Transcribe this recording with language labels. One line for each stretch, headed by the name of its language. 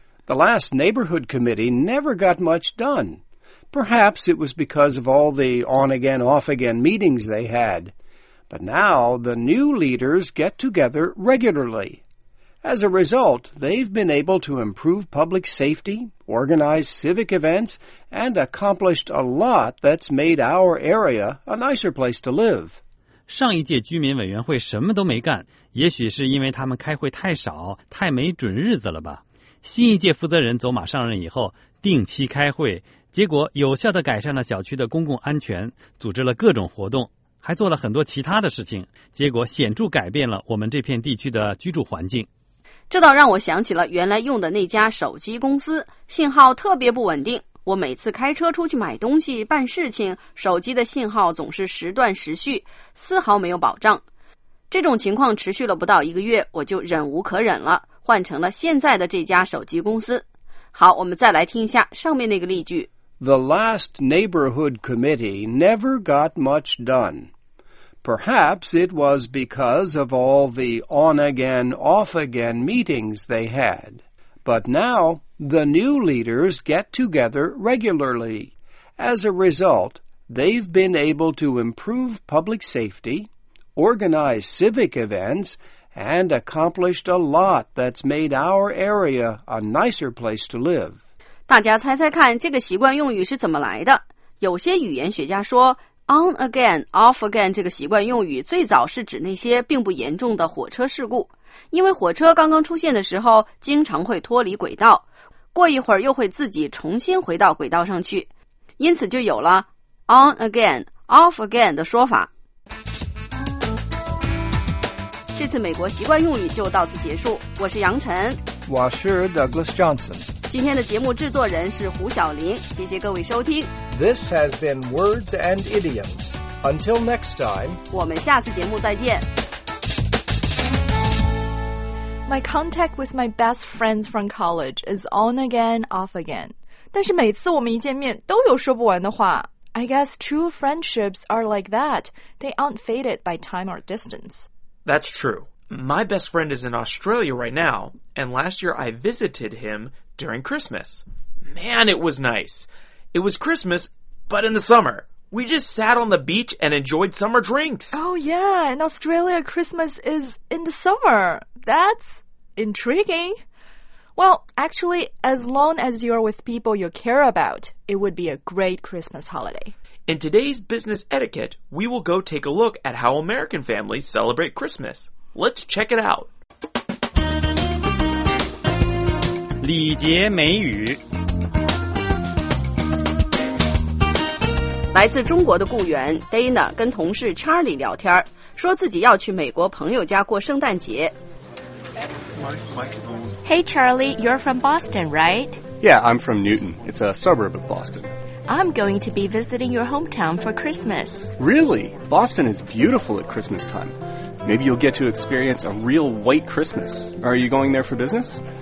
English: The last neighborhood committee never got much done. Perhaps it was because of all the on-again, off-again meetings they had. But now the new leaders get together regularly. As a result, they've been able to improve public safety, organize civic events, and accomplished a lot that's made our area a nicer place to live.
Chinese: 上一届居民委员会什么都没干，也许是因为他们开会太少，太没准日子了吧。新一届负责人走马上任以后，定期开会，结果有效地改善了小区的公共安全，组织了各种活动，还做了很多其他的事情，结果显著改变了我们这片地区的居住环境。这倒让我想起了原来用的那家手机公司，信号特别不稳定，我每次开车出去买东西、办事情，手机的信号总是时断时续，丝毫没有保障。这种情况持续了不到一个月，我就忍无可忍了，换成了现在的这家手机公司。好，我们再来听一下上面那个例句。
English: The last neighborhood committee never got much done. Perhaps it was because of all the on-again, off-again meetings they had. But now, the new leaders get together regularly. As a result, they've been able to improve public safety, organize civic events, and accomplished a lot that's made our area a nicer place to live.
Chinese: 大家猜猜看这个习惯用语是怎么来的？有些语言学家说 on again, off again 这个习惯用语最早是指那些并不严重的火车事故。因为火车刚刚出现的时候经常会脱离轨道，过一会儿又会自己重新回到轨道上去，因此就有了 on again, off again 的说法。这次美国习惯用语就到此结束，我是杨晨，我是 Douglas Johnson。今天的节目制作人是胡晓林，谢谢各位收听。
English: This has been Words and Idioms. Until next time.
Chinese: 我们下次节目再见。
English: My contact with my best friends from college is on again, off again.
Chinese: 但是每次我们一见面都有说不完的话。
English: I guess true friendships are like that. They aren't faded by time or distance. That's true. My best friend is in Australia right now, and last year I visited him during Christmas. Man, it was nice. It was Christmas, but in the summer. We just sat on the beach and enjoyed summer drinks. Oh yeah, in Australia, Christmas is in the summer. That's intriguing. Well, actually, as long as you're with people you care about, it would be a great Christmas holiday. In today's business etiquette, we will go take a look at how American families celebrate Christmas. Let's check it out.
Chinese: 礼节美语。来自中国的雇员 Dana 跟同事 Charlie 聊天，说自己要去美国朋友家过圣诞节。
English: Hey Charlie, you're from Boston, right? Yeah, I'm from Newton. It's a suburb of Boston. I'm going to be visiting your hometown for Christmas. Really? Boston is beautiful at Christmas time. Maybe you'll get to experience a real white Christmas. Are you going there for business?